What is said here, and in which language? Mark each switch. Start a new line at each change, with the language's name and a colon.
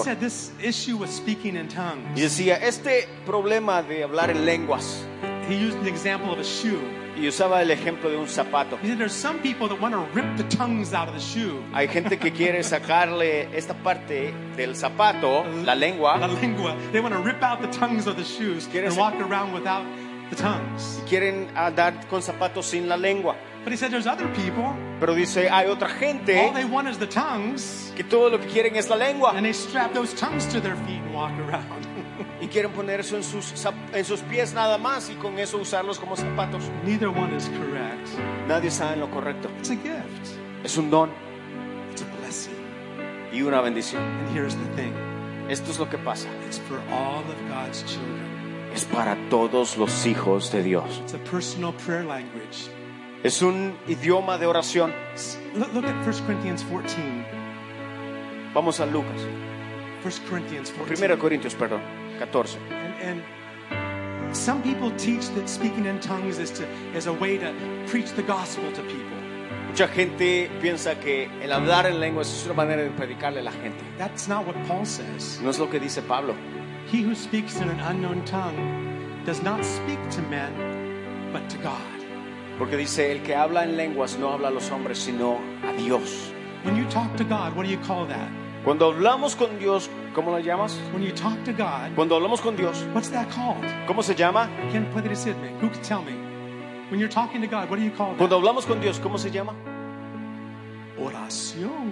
English: He said this issue was speaking in tongues.
Spanish: Y decía, este problema de hablar en lenguas.
English: He used an example of a shoe.
Spanish: Y usaba el ejemplo de un zapato.
English: He said, there's some people that want to rip the tongues out of the shoe.
Spanish: Hay gente que quiere sacarle esta parte del zapato, la lengua. La lengua.
English: They want to rip out the tongues of the shoes and walk around without the tongues.
Spanish: Y quieren andar con zapatos sin la lengua.
English: But he said, there's other people.
Spanish: Pero dice, hay otra gente.
English: All they want is the tongues.
Spanish: Que todo lo que quieren es la lengua.
English: And they strap those tongues to their feet and walk around.
Spanish: Y quieren poner eso en sus pies nada más y con eso usarlos como zapatos.
English: Neither one is correct.
Spanish: Nadie sabe en lo correcto.
English: It's a gift.
Spanish: Es un don.
English: It's a blessing.
Spanish: Y una bendición.
English: And here's the thing.
Spanish: Esto es lo que pasa.
English: It's for all of God's children.
Spanish: Es para todos los hijos de Dios.
English: It's a personal prayer language.
Spanish: Es un idioma de oración.
English: Look at 1 Corinthians 14.
Spanish: Vamos a Lucas.
English: 1 Corinthians 14.
Spanish: 1 Corintios, perdón. 14.
English: And some people teach that speaking in tongues is a way to preach the gospel to people.
Spanish: Mucha gente piensa que el hablar en lenguas es una manera de predicarle a la gente.
English: That's not what Paul says.
Spanish: No es lo que dice Pablo.
English: He who speaks in an unknown tongue does not speak to men, but to God.
Spanish: Porque dice, el que habla en lenguas no habla a los hombres, sino a Dios.
English: When you talk to God, what do you call that?
Spanish: Cuando hablamos con Dios, ¿cómo lo llamas?
English: When you talk to God,
Spanish: cuando hablamos con Dios,
English: what's that called?
Spanish: ¿Cómo se llama? ¿Quién puede decirme?
English: Who can tell me? When you're talking to God, what do you call that?
Spanish: Cuando hablamos con Dios, ¿cómo se llama? Oración.